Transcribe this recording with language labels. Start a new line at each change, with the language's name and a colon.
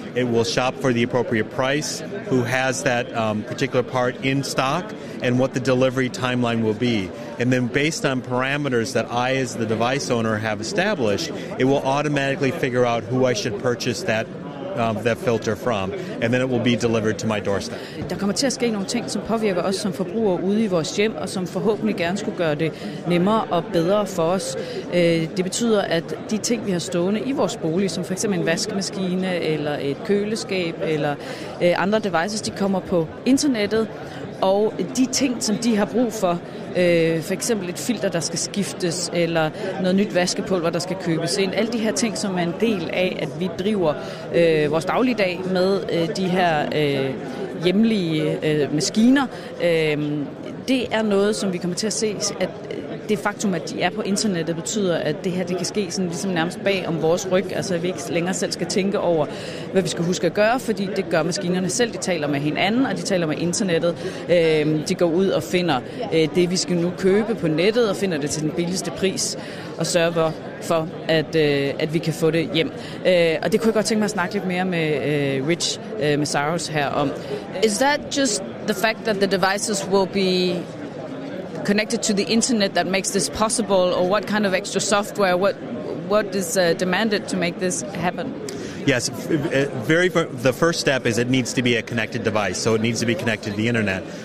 English: It will shop for the appropriate price, who has that particular part in stock, and what the delivery timeline will be. And then based on parameters that I, as the device owner, have established, it will automatically figure out who I should purchase that filter from, and then it will be delivered to my doorstep.
Danish: Der kommer til at ske nogle ting, som påvirker os som forbrugere ude i vores hjem, og som forhåbentlig gerne skulle gøre det nemmere og bedre for os. Det betyder, at de ting, vi har stående i vores bolig, som f.eks. en vaskemaskine eller et køleskab eller andre devices, de kommer på internettet, og de ting, som de har brug for, for eksempel et filter, der skal skiftes, eller noget nyt vaskepulver, der skal købes ind. Alle de her ting, som er en del af, at vi driver vores dagligdag med de her hjemlige maskiner, det er noget, som vi kommer til at se, at det faktum, at de er på internettet, betyder, at det her det kan ske sådan ligesom nærmest bag om vores ryg, altså at vi ikke længere selv skal tænke over, hvad vi skal huske at gøre, fordi det gør maskinerne selv. De taler med hinanden, og de taler med internettet. De går ud og finder det, vi skal nu købe på nettet, og finder det til den billigste pris, og sørger for, at vi kan få det hjem. Og det kunne jeg godt tænke mig at snakke lidt mere med Rich Massaros her om.
English: Is that just the fact that the devices will be connected to the internet that makes this possible, or what kind of extra software, what is demanded to make this happen? Yes, the first step is it needs to be a connected device, so it needs to be connected to the internet.